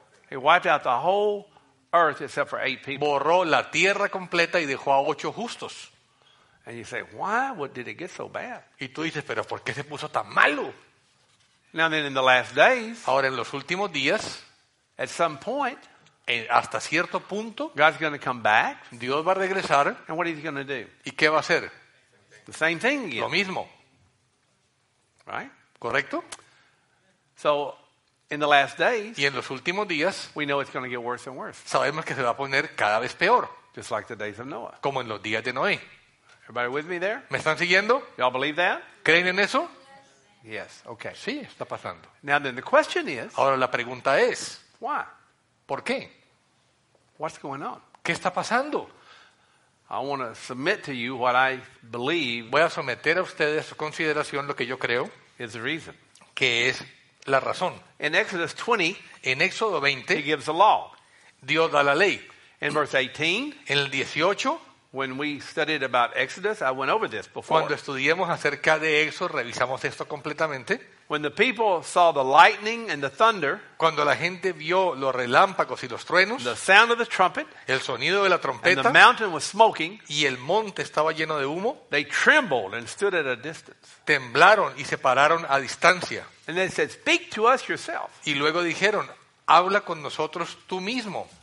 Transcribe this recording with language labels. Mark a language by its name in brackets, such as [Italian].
[English] He wiped out the whole earth except for 8 people. [Spanish] Borró la tierra completa y dejó a 8 justos. [English] And you say, why? What did it get so bad? [Spanish] Y tú dices, pero ¿por qué se puso tan malo? [English] Now then, in the last days. [Spanish] Ahora en los últimos días. [English] At some point, [Spanish] hasta cierto punto, [English] God's going to come back. [Spanish] Dios va a regresar. [English] And what is he going to do? [Spanish] ¿Y qué va a hacer? [English] The same thing again. [Spanish] Lo mismo. [English] Right? [Spanish] ¿Correcto? [English] So, in the last days, [Spanish] y en los últimos días, [English] we know it's going to get worse and worse. [Spanish] Sabemos que se va a poner cada vez peor. [English] Just like the days of Noah. [Spanish] Como en los días de Noé. [English] Everybody with me there? [Spanish] ¿Me están siguiendo? [English] Y'all believe that? [Spanish] ¿Creen en eso? [English] Yes. Okay. [Spanish] Sí, está pasando. [English] Now then, the question is, [Spanish] ahora la pregunta es, [English] why? [Spanish] ¿Por qué? [English] What's going on? [Spanish] ¿Qué está pasando? [English] I want to submit to you what I believe. [Spanish] Voy a someter a ustedes a consideración lo que yo creo. [English] Is the reason. [Spanish] Que es la razón. [English] In Exodus 20, [Spanish] en Éxodo 20, [English] he gives the law. [Spanish] Dios da la ley. [English] In verse 18, [Spanish] en el 18, [English] when we studied about Exodus, I went over this before. [Spanish] Cuando estudiamos acerca de Éxodo, revisamos esto completamente. [English] When the people saw the lightning and the thunder, [Spanish] cuando la gente vio los relámpagos y los truenos, [English] the sound of the trumpet, [Spanish] el sonido de la trompeta, [English] and the mountain was smoking, [Spanish] y el monte estaba lleno de humo, [English] they trembled and stood at a distance. [Spanish] Temblaron y se pararon a distancia. [English] And they said, "Speak to us yourself." [Spanish] Y luego dijeron, "Habla con nosotros tú mismo."